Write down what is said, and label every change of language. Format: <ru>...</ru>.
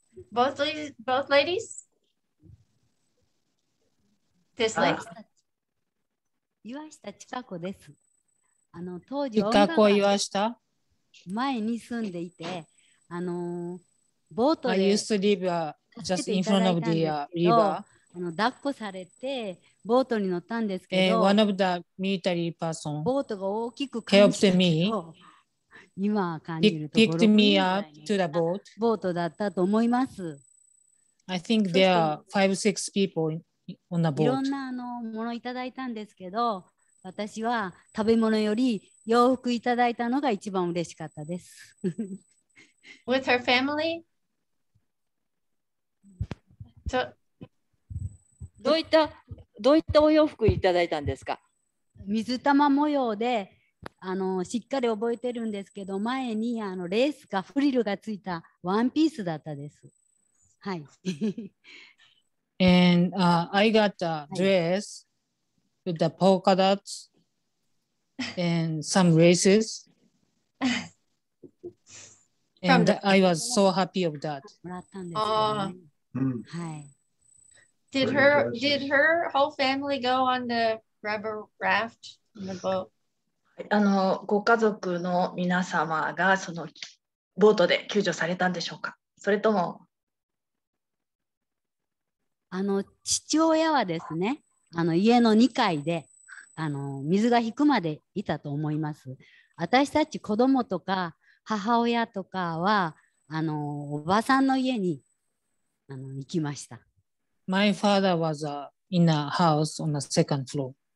<en>Both ladies? This lady?</en> <ja>Iwashita Chikako desu.</ja> <en>Chikako Iwashita?</en> <ja>前に住んでいて、あの、ボートで。</ja> <en>I used to live just in front of the river.</en> <ja>あの、抱っこされて、ボートに乗ったんですけど、</ja> <en>one of the military person</en> <ja>ボートが大きく感じると今感じるところ</ja> <en>picked me up to the boat</en> <ja>ボートだったと思います。</ja> <en>I think there are 5-6 people on the boat。</en> <ja>いろんなあのものいただいたんですけど、私は食べ物より洋服いただいたのが一番嬉しかったです。</ja> <en>With her family? So</en> <ja>どういったお洋服いただいたんですか。水玉模様でしっかり覚えてるんですけど、前にレースかフリルがついたワンピースだったです。はい。</ja> <en>And I got a dress、はい、with the polka dots and some races. And I was so happy of that.</en> <ja>もらったんですよね。はい。</ja> <en>Did her whole family go on the rubber raft in the boat?</en> <ja>ご家族の皆様がそのボートで救助されたんでしょうか、それとも父親はですね、家の2階で水が引くまでいたと思います。私たち子供とか母親とかはおばさんの家に行きました。</ja> <en>My father was in a house on the second floor.</en>